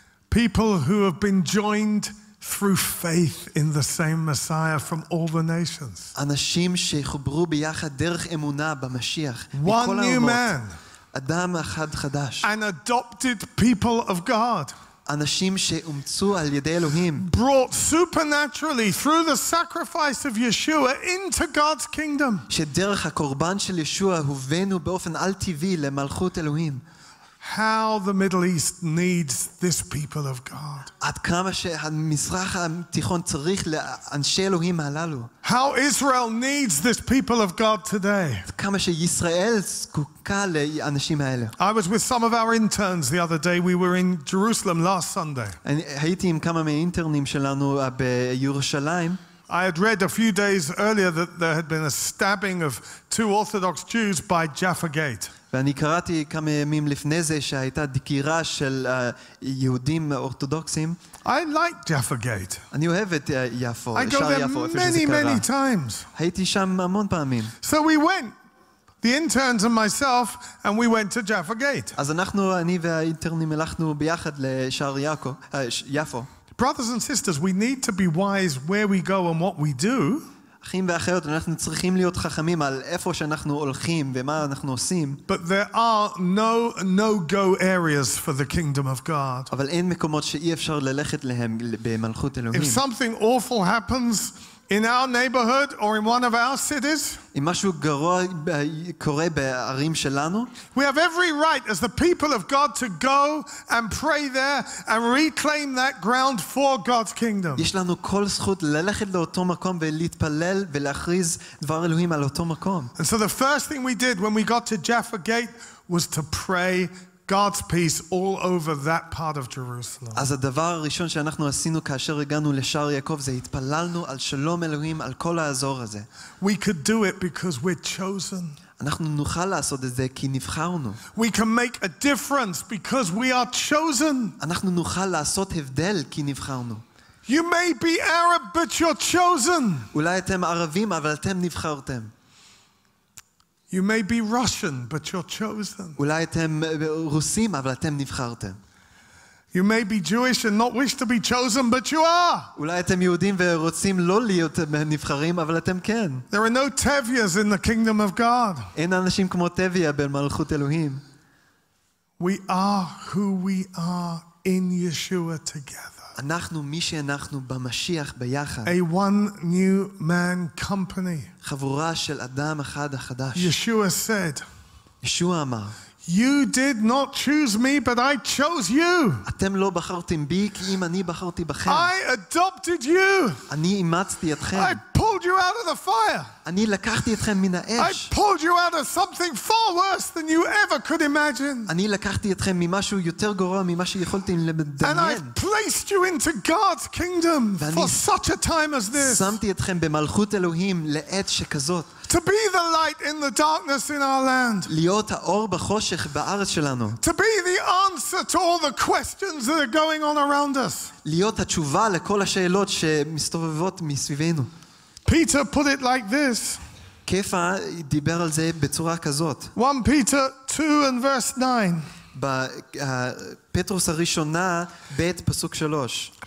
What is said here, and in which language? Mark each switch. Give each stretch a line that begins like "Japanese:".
English: People who have been joined through faith in the same Messiah from all the nations.
Hebrew: אנשים שחוברו ביחד דרך אמונה במשיח.
English: One new man.
Hebrew: אדם אחד חדש.
English: An adopted people of God.
Hebrew: אנשים שאומצו על ידי אלוהים.
English: Brought supernaturally through the sacrifice of Yeshua into God's kingdom.
Hebrew: שדרך הקורבן של ישוע הובנו באופן אל-טבעי למלכות אלוהים.
English: How the Middle East needs this people of God.
Hebrew: עד כמה שהמזרח התיכון צריך לאנשי אלוהים הללו.
English: How Israel needs this people of God today.
Hebrew: עד כמה שישראל זקוקה לאנשים האלה.
English: I was with some of our interns the other day. We were in Jerusalem last Sunday.
Hebrew: הייתי עם כמה מהאינטרנים שלנו בירושלים.
English: I had read a few days earlier that there had been a stabbing of two Orthodox Jews by Jaffa Gate.
Hebrew: ואני קראתי כמה ימים לפני זה שהייתה דקירה של יהודים אורתודוקסים.
English: I like Jaffa Gate.
Hebrew: אני אוהב את יפו.
English: I go there many times.
Hebrew: הייתי שם המון פעמים.
English: So we went, the interns and myself, and we went to Jaffa Gate.
Hebrew: אז אנחנו, אני והאינטרנים, הלכנו ביחד לשער יפו.
English: Brothers and sisters, we need to be wise where we go and what we do.
Hebrew: אחים ואחיות, אנחנו צריכים להיות חכמים על איפה שאנחנו הולכים ומה אנחנו עושים.
English: But there are no-go areas for the kingdom of God.
Hebrew: אבל אין מקומות שאי אפשר ללכת להם במלכות אלוהים.
English: If something awful happens in our neighborhood or in one of our cities,
Hebrew: אם משהו גרוע קורה בערים שלנו,
English: we have every right as the people of God to go and pray there and reclaim that ground for God's kingdom.
Hebrew: יש לנו כל זכות ללכת לאותו מקום ולהתפלל ולהכריז דבר אלוהים על אותו מקום.
English: And so the first thing we did when we got to Jaffa Gate was to pray God's peace all over that part of Jerusalem.
Hebrew: אז הדבר הראשון שאנחנו עשינו כאשר הגענו לשער יעקב זה התפללנו על שלום אלוהים על כל האזור הזה.
English: We could do it because we're chosen.
Hebrew: אנחנו נוכל לעשות את זה כי נבחרנו.
English: We can make a difference because we are chosen.
Hebrew: אנחנו נוכל לעשות הבדל כי נבחרנו.
English: You may be Arab but you're chosen.
Hebrew: אולי אתם ערבים אבל אתם נבחרתם.
English: You may be Russian, but you're chosen.
Hebrew: אולי אתם רוסים, אבל אתם נבחרתם.
English: You may be Jewish and not wish to be chosen, but you are.
Hebrew: אולי אתם יהודים ורוצים לא להיות נבחרים, אבל אתם כן.
English: There are no Tevias in the kingdom of God.
Hebrew: אין אנשים כמו טביה במלכות אלוהים.
English: We are who we are in Yeshua together.
Hebrew: אנחנו מי שאנחנו במשיח ביחד.
English: A one new man company.
Hebrew: חבורה של אדם אחד החדש.
English: Yeshua said.
Hebrew: ישועה אמר.
English: You did not choose me, but I chose you.
Hebrew: אתם לא בחרתם בי, כי אם אני בחרתי בכם.
English: I adopted you.
Hebrew: אני אימצתי אתכם.
English: I pulled you out of the fire.
Hebrew: אני לקחתי אתכם מן האש.
English: I pulled you out of something far worse than you ever could imagine.
Hebrew: אני לקחתי אתכם ממשהו יותר גרוע ממה שיכולתם לדמיין.
English: And I placed you into God's kingdom for such a time as this.
Hebrew: שמתי אתכם במלכות אלוהים לעת שכזאת.
English: To be the light in the darkness in our land.
Hebrew: להיות האור בחושך בארץ שלנו.
English: To be the answer to all the questions that are going on around us.
Hebrew: להיות התשובה לכל השאלות שמסתובבות מסביבנו.
English: Peter put it like this.
Hebrew: כפה דיבר על זה בצורה כזאת.
English: 1 Peter 2 and verse 9.
Hebrew: בפטרוס הראשונה ב' פסוק 3.